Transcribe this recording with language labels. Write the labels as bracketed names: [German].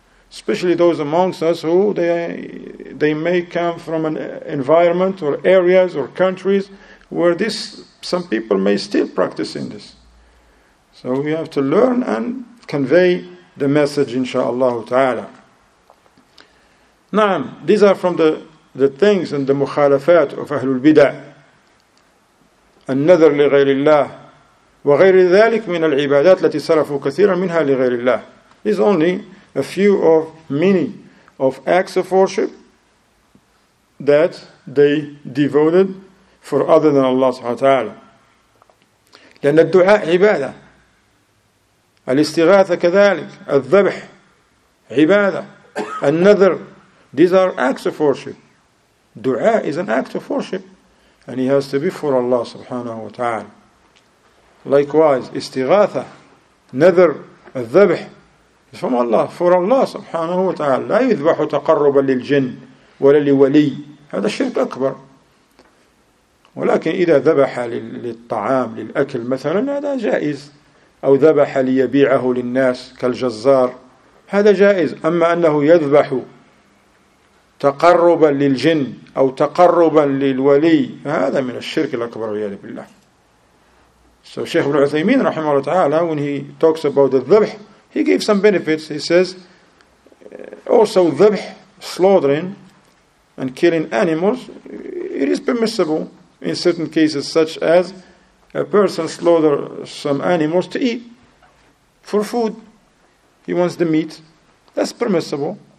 [English] especially those amongst us who they may come from an environment or areas or countries where this some people may still practice in this. So we have to learn and convey the message, insha'Allah ta'ala. Naam, these are from the things and the mukhalafat of Ahlul Bid'ah. [Arabic] النذر لغير الله وغير ذلك من العبادات التي صرفوا كثيرا منها لغير الله. [English] It's only a few of many of acts of worship that they devoted for other than Allah [Arabic] سبحانه وتعالى. لأن الدعاء عبادة. الاستغاثة كذلك. الذبح عبادة. النذر. [English] These are acts of worship. دعاء is an act of worship. And he has to be for Allah subhanahu wa ta'ala. Likewise, istighatha, nadhar, al-dhabh, is from Allah, for Allah subhanahu wa ta'ala. [Arabic] لا يذبح تقربا للجن ولا لولي. هذا الشرك أكبر. ولكن إذا ذبح للطعام للأكل مثلا هذا جائز. أو ذبح ليبيعه للناس كالجزار. هذا جائز. أما أنه يذبح تقربا للجن أو تقربا للولي هذا من الشرك الأكبر والعياذ بالله. [English] So Sheikh ibn Uthaymeen [Arabic] رحمه الله تعالى, [English] when he talks about the dhabh, he gave some benefits. He says also dhabh, slaughtering and killing animals, it is permissible in certain cases, such as a person slaughter some animals to eat for food, he wants the meat, that's permissible.